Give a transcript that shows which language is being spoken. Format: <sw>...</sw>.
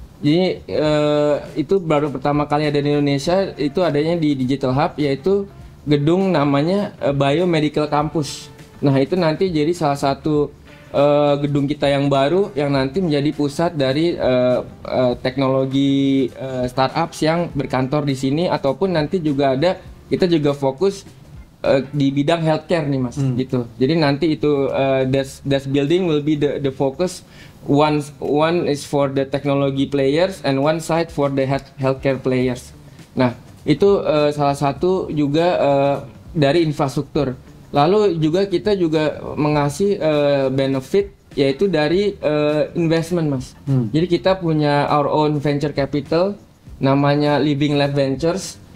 <id>Jadi itu baru pertama kali ada di Indonesia, itu adanya di Digital Hub, yaitu gedung namanya Biomedical Campus. Nah, itu nanti jadi salah satu gedung kita yang baru yang nanti menjadi pusat dari teknologi startups yang berkantor di sini, ataupun nanti juga ada. Kita juga fokus di bidang healthcare nih, Mas, gitu. Jadi nanti itu</id> <en>this building will be the focus, one is for the technology players and one side for the healthcare players.</en> <id>Nah, itu salah satu juga dari infrastruktur. Lalu juga kita juga mengasih benefit yaitu dari investment, Mas. Jadi kita punya</id> <en>our own venture capital</en> <id>namanya Living Lab Ventures.</id>